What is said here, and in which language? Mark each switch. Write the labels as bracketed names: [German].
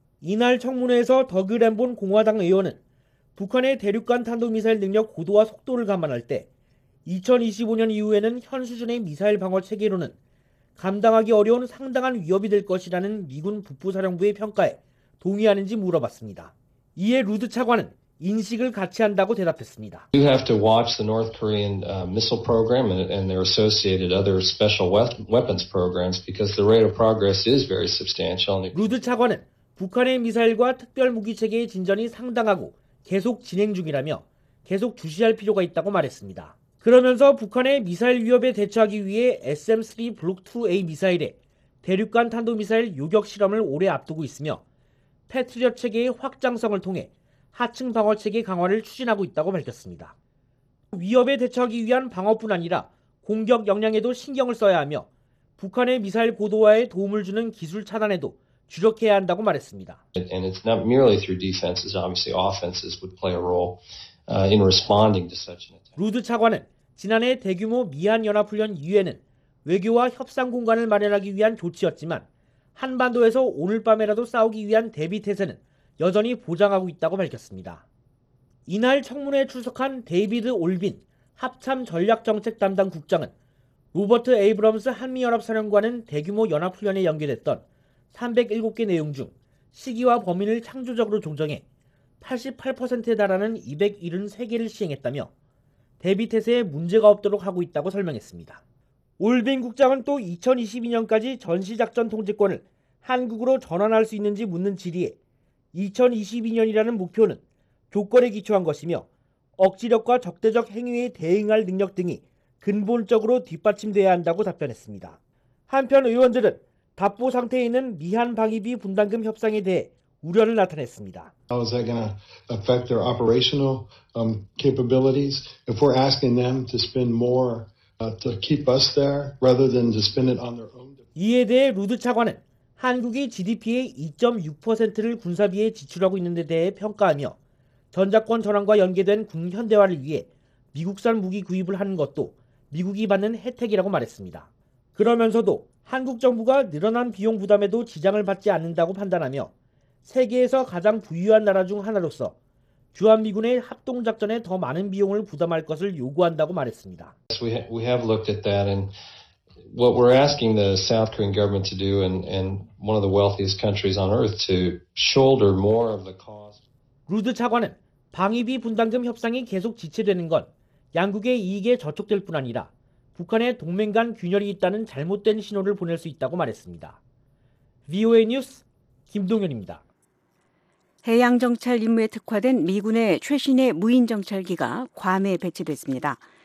[Korean] 이날 청문회에서 더그 램본 공화당 의원은 북한의 대륙간 탄도미사일 능력 고도와 속도를 감안할 때 2025년 이후에는 현 수준의 미사일 방어 체계로는 감당하기 어려운 상당한 위협이 될 것이라는 미군 북부사령부의 평가에 동의하는지 물어봤습니다. 이에 루드 차관은 인식을 같이 한다고 대답했습니다. [English] You have to watch the North Korean missile program and their associated other special weapons programs because the rate of progress is very substantial. [Korean] 루드 차관은 북한의 미사일과 특별 무기 체계의 진전이 상당하고 계속 진행 중이라며 계속 주시할 필요가 있다고 말했습니다. 그러면서 북한의 미사일 위협에 대처하기 위해 SM-3 블록 2A 미사일에 대륙간 탄도 미사일 요격 실험을 올해 앞두고 있으며 패트리어 체계의 확장성을 통해 하층 방어 체계 강화를 추진하고 있다고 밝혔습니다. 위협에 대처하기 위한 방어뿐 아니라 공격 역량에도 신경을 써야 하며 북한의 미사일 고도화에 도움을 주는 기술 차단에도 주력해야 한다고 말했습니다. [English] And it's not merely through defenses, obviously offenses would play a role in responding to such an attack. [Korean] 루드 차관은 지난해 대규모 미한 연합훈련 이후에는 외교와 협상 공간을 마련하기 위한 조치였지만 한반도에서 오늘 밤에라도 싸우기 위한 대비 태세는 여전히 보장하고 있다고 밝혔습니다. 이날 청문회에 출석한 데이비드 올빈 합참전략정책담당 국장은 로버트 에이브럼스 한미연합사령관은 대규모 연합훈련에 연계됐던 307개 내용 중 시기와 범위를 창조적으로 조정해 88%에 달하는 273개를 시행했다며 대비 태세에 문제가 없도록 하고 있다고 설명했습니다. 올빈 국장은 또 2022년까지 전시작전 통제권을 한국으로 전환할 수 있는지 묻는 질의에 2022년이라는 목표는 조건에 기초한 것이며 억지력과 적대적 행위에 대응할 능력 등이 근본적으로 뒷받침돼야 한다고 답변했습니다. 한편 의원들은 답보 상태에 있는 미한 방위비 분담금 협상에 대해 우려를 나타냈습니다. [English] How is that going to affect their operational capabilities? If we're asking them to spend more to keep us there rather than to spend it on their own. [Korean] 이에 대해 루드 차관은 한국이 GDP의 2.6%를 군사비에 지출하고 있는 데 대해 평가하며 전작권 전환과 연계된 군 현대화를 위해 미국산 무기 구입을 하는 것도 미국이 받는 혜택이라고 말했습니다. 그러면서도 한국 정부가 늘어난 비용 부담에도 지장을 받지 않는다고 판단하며 세계에서 가장 부유한 나라 중 하나로서 주한미군의 합동작전에 더 많은 비용을 부담할 것을 요구한다고 말했습니다. [English] We have looked at that and what we're asking the South Korean government to do and one of the wealthiest countries on earth to shoulder more of the cost. [Korean] 루드 차관은 방위비 분담금 협상이 계속 지체되는 건 양국의 이익에 저촉될 뿐 아니라 북한의 동맹 간 균열이 있다는 잘못된 신호를 보낼 수 있다고 말했습니다. VOA 뉴스 김동현입니다. 해양정찰 임무에 특화된 미군의 최신의 무인정찰기가 괌에 배치됐습니다.